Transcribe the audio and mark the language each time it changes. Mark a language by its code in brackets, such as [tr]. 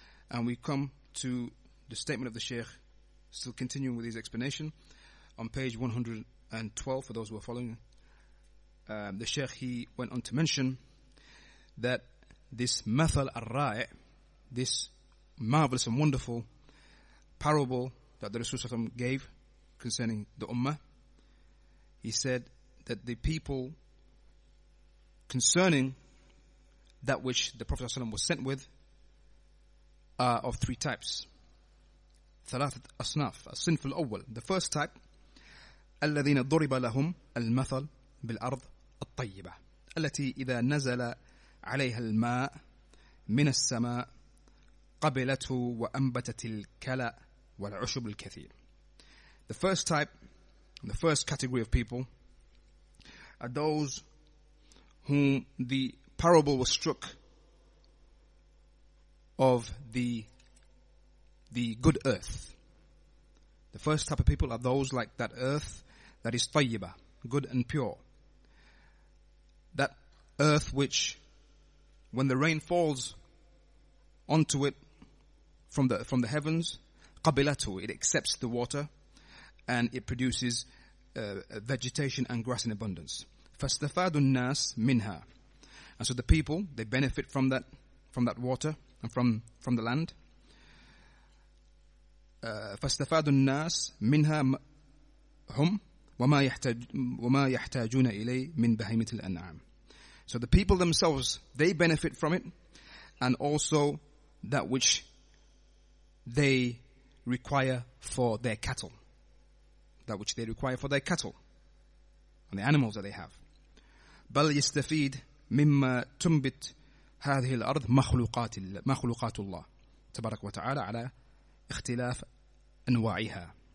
[en] And we come to the statement of the Shaykh, still continuing with his explanation, on page 112, for those who are following, the Shaykh, he went on to mention that this mathal ar-ra'i, this marvelous and wonderful parable that the Rasulullah gave concerning the Ummah, he said that the people concerning that which the Prophet was sent with are of three types. [ar] ثلاثة أصناف الصنف الأول. [en] The first type, [ar] الذين ضرب لهم المثل بالأرض الطيبة التي إذا نزل عليها الماء من السماء قبلته وأنبتت الكلى والعشب الكثير. [en] The first type, the first category of people, are those whom the parable was struck of the good earth. The first type of people are those like that earth that is tayyibah, good and pure. That earth which, when the rain falls onto it from the heavens, qabilatu, it accepts the water and it produces vegetation and grass in abundance. [ar] Fastafadun nas minha. [en] And so the people, they benefit from that water and from the land. [ar] فاستفاد الناس منها هم وما يحتاجون إليه من بهيمة الأنعام. [en] So the people themselves, they benefit from it, and also that which they require for their cattle. That which they require for their cattle and the animals that they have. [ar] بَلْ يَسْتَفِيدْ مِمَّا تُنْبِتْ هَذِهِ الْأَرْضِ مَخْلُقَاتُ اللَّهِ تَبَارَكْ وَتَعَالَى عَلَى اخْتِلَافْ أَنْوَاعِهَا.